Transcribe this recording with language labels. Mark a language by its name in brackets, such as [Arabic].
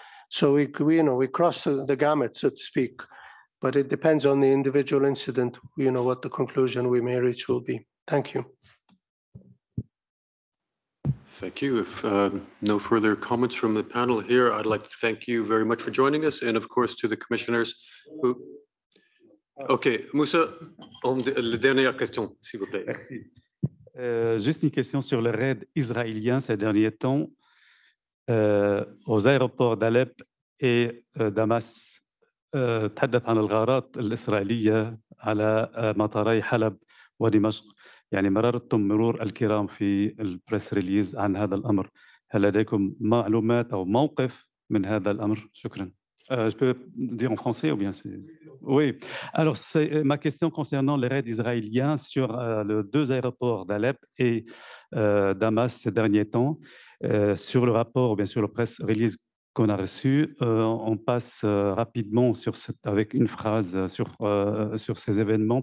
[English] So we cross the gamut, so to speak, but it depends on the individual incident, you know, what the conclusion we may reach will be. Thank you. Thank you. If no further comments from the panel here, I'd like to thank you very much for joining us, and of course to the commissioners who... [French] Okay, Moussa, la dernière question, s'il vous plaît. Merci. Juste une question sur le raid israélien ces derniers temps aux aéroports d'Alep et Damas. [Arabic] تحدث عن الغارات الإسرائيلية على مطاري حلب ودمشق. يعني مررتم مرور الكرام في البريس ريليز عن هذا الأمر. هل لديكم معلومات أو موقف من هذا الأمر؟ شكرا. [French] Je peux dire en français ou bien c'est... Oui. Alors, c'est ma question concernant les raids israéliens sur les deux aéroports d'Alep et Damas ces derniers temps. Sur le rapport, bien sûr, le press release qu'on a reçu, on passe rapidement sur cette, avec une phrase sur ces événements.